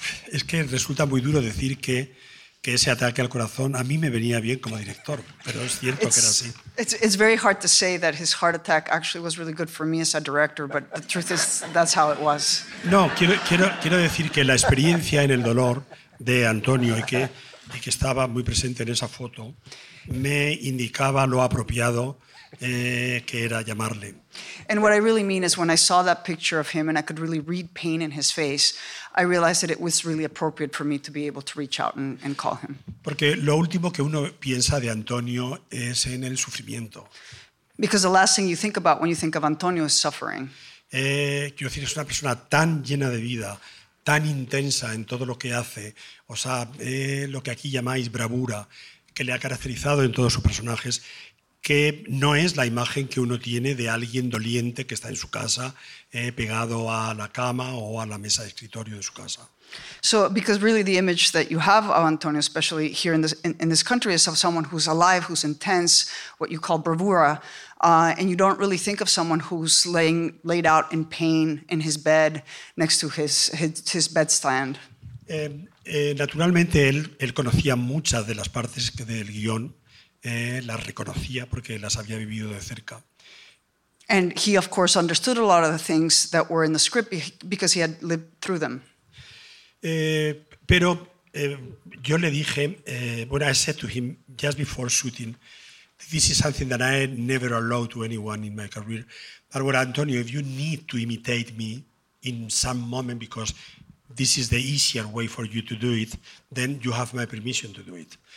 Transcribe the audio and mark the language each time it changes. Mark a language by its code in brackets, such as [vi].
[es] es que resulta muy duro decir que ese ataque al corazón a mí me venía bien como director, pero es cierto que era así. [en] It's very hard to say that his heart attack actually was really good for me as a director, but the truth is that's how it was. [es] No, quiero decir que la experiencia en el dolor de Antonio y que estaba muy presente en esa foto me indicaba lo apropiado que era llamarle. [en] And what I really mean is when I saw that picture of him and I could really read pain in his face, I realized that it was really appropriate for me to be able to reach out and call him. [es] Porque lo último que uno piensa de Antonio es en el sufrimiento. [en] Because the last thing you think about when you think of Antonio is suffering. [es] Quiero decir, es una persona tan llena de vida, tan intensa en todo lo que hace, o sea, lo que aquí llamáis bravura, que le ha caracterizado en todos sus personajes, que no es la imagen que uno tiene de alguien doliente que está en su casa, pegado a la cama o a la mesa de escritorio de su casa. [en] So, because really the image that you have of Antonio, especially here in this country, is of someone who's alive, who's intense, what you call bravura, and you don't really think of someone who's laid out in pain in his bed next to his bedstand. [es] Naturalmente, él conocía muchas de las partes del guión, las reconocía porque las había vivido de cerca. [en] And he, of course, understood a lot of the things that were in the script because he had lived through them. [es] Yo le dije, [en] I said to him just before shooting, this is something that I never allowed to anyone in my career, but what, Antonio, if you need to imitate me in some moment because this is the easier way for you to do it, then you have my permission to do it.